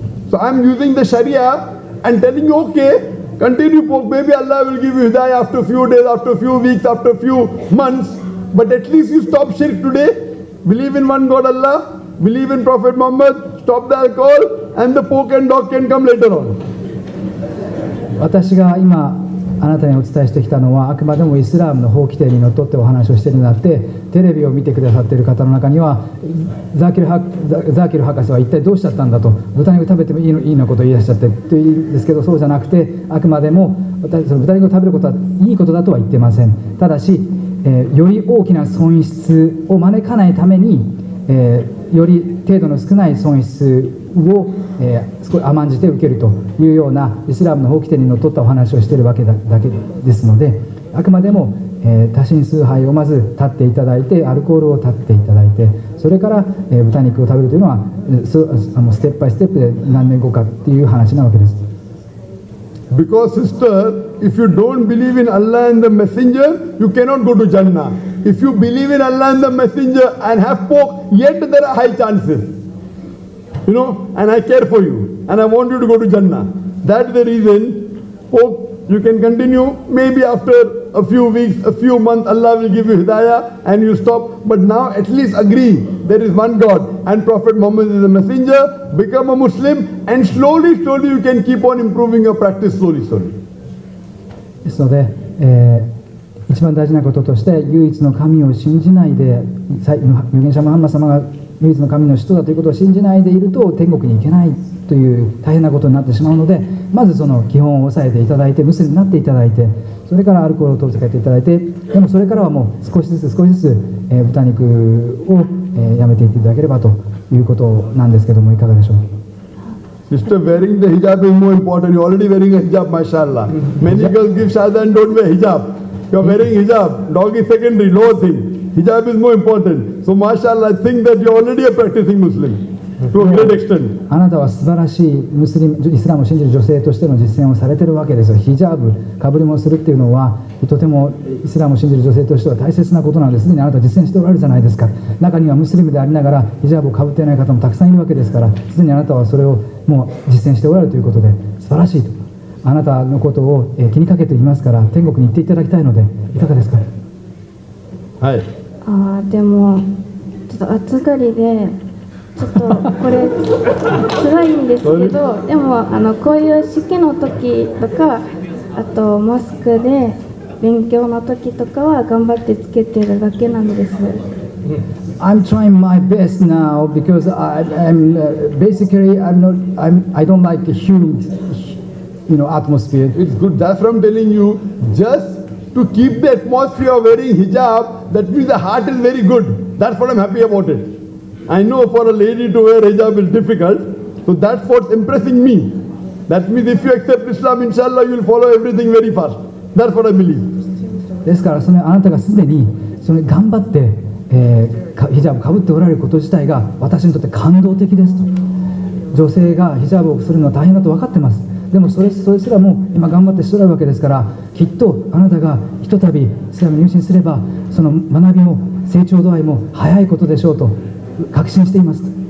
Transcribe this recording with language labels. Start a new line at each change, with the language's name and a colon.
English: So I'm using the Sharia and telling you, okay, continue pork. Maybe Allah will give you hidayah after a few days, after a few weeks, after a few months. But at least you stop shirk today. Believe in one God Allah. Believe in Prophet Muhammad. Stop the alcohol and the pork and dog can come later on.
Japanese: 私が今あなたにお伝えしてきたのはあくまでもイスラムの法規定にのっとってお話をしているのであって、テレビを見てくださっている方の中にはザキル博士は一体どうしちゃったんだと、豚肉食べてもいいのことを言い出しちゃってと言うんですけど、そうじゃなくてあくまでも私その豚肉を食べることはいいことだとは言ってません。ただし、より大きな損失を招かないために、より程度の少ない損失を、少し甘んじて受けるというようなイスラムの法規定にのっとったお話をしているわけだけですので、あくまでも、多神崇拝をまず断っていただいて、アルコールを断っていただいて、それから、豚肉を食べるというのはステップバイステップで何年後かという話なわけです。
English: Because sister, if you don't believe in Allah and the messenger, you cannot go to Jannah. If you believe in Allah and the messenger and have pork, yet there are high chances. You know, and I care for you, and I want you to go to Jannah. That's the reason. Hope you can continue. Maybe after a few weeks, a few months, Allah will give you hidayah and you stop. But now at least agree there is one God and Prophet Muhammad is the messenger. Become a Muslim and slowly, slowly you can keep on improving your practice slowly, slowly. So there,
Japanese: 一番大事なこととして、唯一の神を信じないで、預言者ムハンマド様が唯一の神の使徒だということを信じないでいると天国に行けないという大変なことになってしまうので、まずその基本を押さえていただいて、ムスリムになっていただいて、それからアルコールを取り付けていただいて、でもそれからはもう少しずつ少しずつ、豚肉を、やめていっていただければということなんですけども、いかがでしょう。
English: Sister, wearing the hijab is more important. You're already wearing a hijab, mashallah. Many girls give shahada and don't wear hijab. You're wearing hijab. Dog is secondary, lower thing. Hijab is more important. So, mashallah, I think that you're already a practicing Muslim to a great extent.
Japanese: あなたは素晴らしいムスリム、イスラムを信じる女性としての実践をされているわけですよ。ヒジャブ、かぶりもするっていうのは、とてもイスラムを信じる女性としては大切なことなんです。すでにあなたは実践しておられるじゃないですか。中にはムスリムでありながら、ヒジャブをかぶっていない方もたくさんいるわけですから、すでにあなたはそれをもう実践しておられるということで、素晴らしいと。あなたのことを気にかけていますから、天国に行っていただきたいので、いかがですか。はい。あでもちょっと暑がりでちょっとこれつらいんですけど、でもこういう式の時とか、あとマスクで勉強の時とかは頑張ってつけてるだけなんです。
English: I'm trying my best now because I'm basically I don't like the humid atmosphere. It's good. That's what I'm telling you. JustTo keep the atmosphere of wearing hijab, that means the heart is very good. That's what I'm happy about it. I know for a lady to wear hijab is difficult, so that's what's impressing me. That means if you accept Islam, inshallah, you'll follow everything very fast. That's what I believe.
Japanese: ですから、そのあなたがすでにその頑張って、ヒジャブを被っておられること自体が私にとって感動的ですと。女性がヒジャブをするのは大変だと分かってます。でもそれすらも今頑張ってしとらるわけですから、きっとあなたがひとたびイスラムに入信すれば、その学びも成長度合いも早いことでしょうと確信しています。